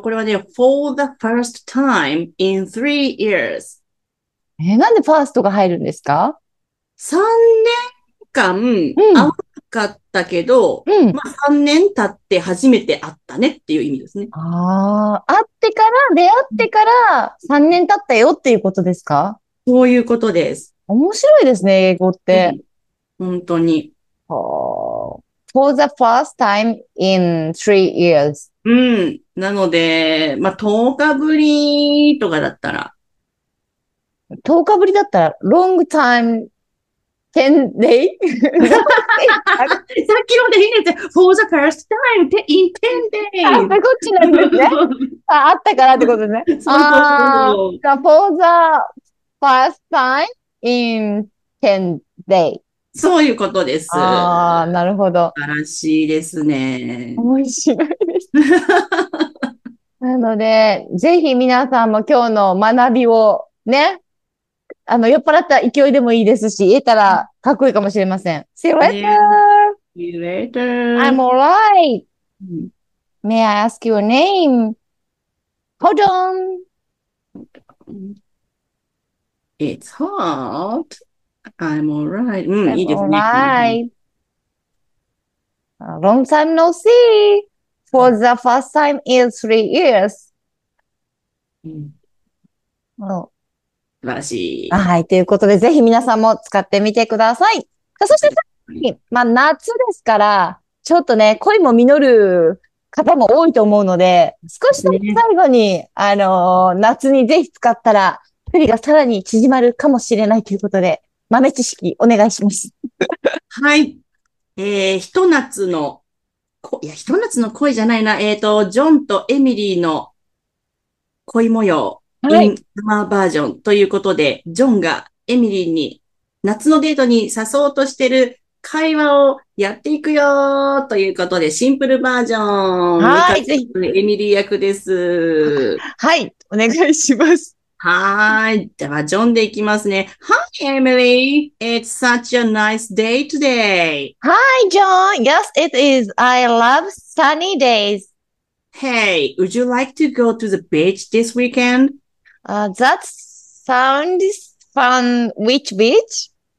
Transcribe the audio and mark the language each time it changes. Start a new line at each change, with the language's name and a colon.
Japanese: これはね、
English: for the first time in 3 years.
Japanese: なんでファーストが入るんですか？ 3 年間会わなかったけど、うんうん、まあ、3年経って初めて会ったねっていう意味ですね。ああ、会ってから、出会ってから3年経ったよっていうことですか？そういうことです。面白いですね、英語って。うん、本当に。
English: For the first time in 3 years.
Japanese: うん。なので、まあ、10日ぶりとかだったら。 10日ぶりだったら、
English: long time 10 day?
Japanese: さっきのでいいですよ。
English: For the first time in 10 days.
Japanese: あ、こっちなんですね。あ、あったからってことね。そうそうそう
English: あ、for the first time in 10 days.
Japanese: そういうことです。ああ、なるほど。素晴らしいですね。面白いです。なので、ぜひ皆さんも今日の学びをね、酔っ払った勢いでもいいですし、言えたらかっこいいかもしれません。
English: See you later!See you later! I'm alright!May I ask your name?Hold on!It's hot! I'm alright.
Japanese: うん、いいですね。
English: Alright. Long time no see. For the first time in 3 years.
Japanese: うん。お。素晴らしい。はい。ということで、ぜひ皆さんも使ってみてください。そして最後に、まあ夏ですから、ちょっとね、恋も実る方も多いと思うので、少しでも最後に、ね、夏にぜひ使ったら、距離がさらに縮まるかもしれないということで、豆知識お願いします。はい。ひと夏の、いや、ひと夏の恋じゃないな。ジョンとエミリーの恋模様、はい、インサマーバージョンということで、ジョンがエミリーに夏のデートに誘おうとしてる会話をやっていくよということで、シンプルバージョン。はい、ぜひ。エミリー役です。はい、お願いします。はい。では、ジョンでいきますね。
English: Hi, Emily. It's such a nice day today. Hi, John. Yes, it is. I love sunny days. Hey, would you like to go to the beach this weekend? That sounds fun. Which beach?